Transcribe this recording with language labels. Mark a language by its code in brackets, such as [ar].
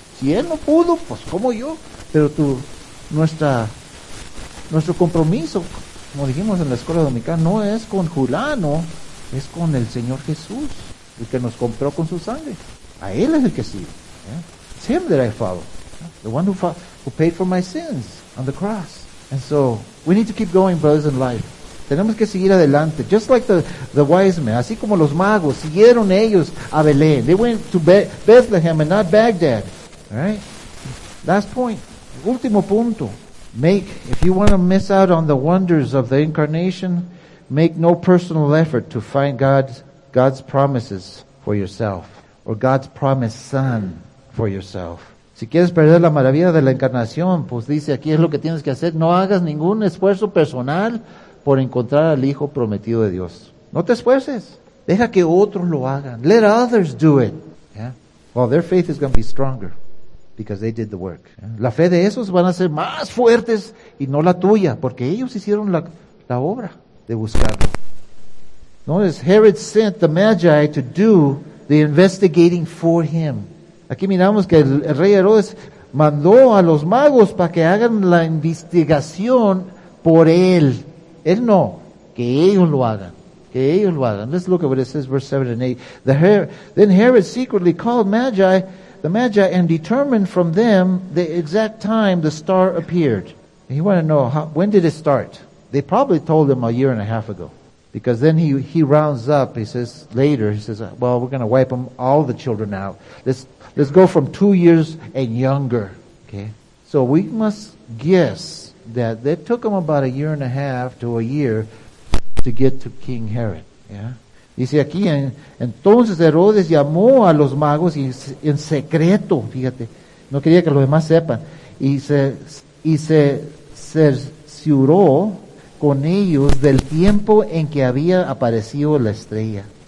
[es] Si él no pudo, pues ¿cómo yo? Pero nuestro compromiso, como dijimos en la escuela dominicana, no es con Julano, es con el Señor Jesús, el que nos compró con su sangre. A él es el que sigue. Yeah? [en] It's him that I follow. Yeah? The one who paid for my sins on the cross. And so, we need to keep going, brothers, in life. [es] Tenemos que seguir adelante. [en] Just like the wise men. [es] Así como los magos. Siguieron ellos a Belén. [en] They went to Bethlehem and not Baghdad. All right? Last point. [es] Último punto. [en] If you want to miss out on the wonders of the incarnation, make no personal effort to find God's promises for yourself. Or God's promised son for yourself. [es] Si quieres perder la maravilla de la encarnación, pues dice aquí es lo que tienes que hacer. No hagas ningún esfuerzo personal por encontrar al Hijo prometido de Dios. No te esfuerces. Deja que otros lo hagan. [en] Let others do it. [es] Yeah? [en] Well, their faith is going to be stronger because they did the work. Yeah? [es] La fe de esos van a ser más fuertes y no la tuya porque ellos hicieron la obra de buscarlo. [en] Notice Herod sent the Magi to do the investigating for him. [es] Aquí miramos que el rey Herodes mandó a los magos para que hagan la investigación por él. Él no. Que ellos lo hagan. Que ellos lo hagan. [en] Let's look at what it says, verse 7 and 8. Then Herod secretly called the Magi, and determined from them the exact time the star appeared. And he wanted to know, when did it start? They probably told him a year and a half ago. Because then he rounds up, he says, well, we're going to wipe them, all the children out. Let's go from 2 years and younger. Okay, so we must guess that it took him about a year and a half to a year to get to King Herod. [es] Yeah, dice aquí, entonces Herodes llamó a los magos y en secreto, fíjate, no quería que los demás sepan, y se cercioró con ellos del tiempo en que había aparecido la estrella.